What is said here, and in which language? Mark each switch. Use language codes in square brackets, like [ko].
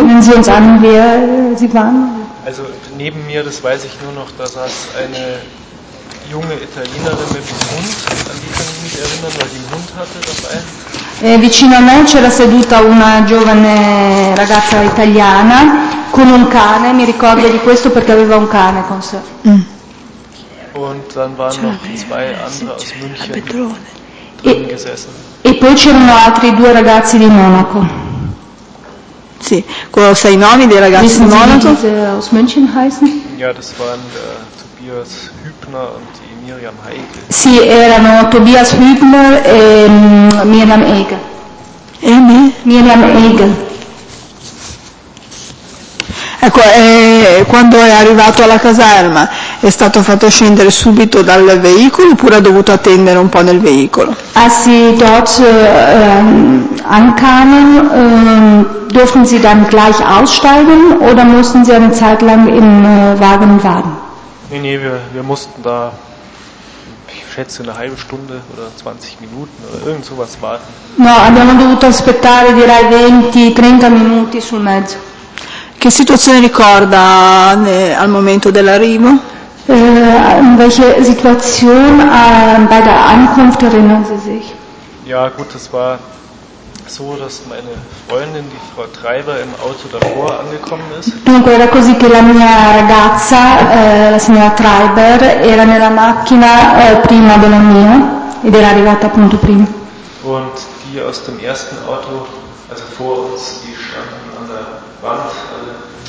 [de] Können Sie uns sagen, wer sie waren? Also neben mir, das weiß ich nur noch, da saß eine junge Italienerin mit dem Hund, an die kann ich mich erinnern, weil die einen Hund hatte dabei. [it] Vicino a me c'era seduta una giovane ragazza italiana con un cane, mi ricordo di questo perché aveva un cane con sé. [de] Und dann waren noch 2 andere aus München drin gesessen. [it] E poi c'erano altri 2 ragazzi di Monaco. Sì, con 6 nomi dei ragazzi di Monaco. [de] Aus München heißen? Ja, das waren Tobias Hübner und die Miriam Heike. [it] Sì, erano Tobias Hübner e Miriam Heike. E me? Miriam Heike. Ecco, quando è arrivato alla caserma è stato fatto scendere subito dal veicolo oppure ha dovuto attendere un po' nel veicolo? [de] Als sie dort ankamen, durften sie dann gleich aussteigen oder mussten sie eine Zeit lang im Wagen warten? Nee, wir mussten da, ich schätze, eine halbe Stunde oder 20 Minuten oder irgend sowas warten. [it] No, abbiamo dovuto aspettare direi 20-30 minuti sul mezzo. Che situazione ricorda al momento dell'arrivo? [de] An welche Situation bei der Ankunft erinnern Sie sich? Ja, gut, es war so, dass meine Freundin, die Frau Treiber, im Auto davor angekommen ist. [it] Dunque era così che la mia ragazza, la signora Treiber, era nella macchina prima della mia ed era arrivata appunto prima. [de] Und die aus dem ersten Auto, also vor uns, die standen an der Wand, alle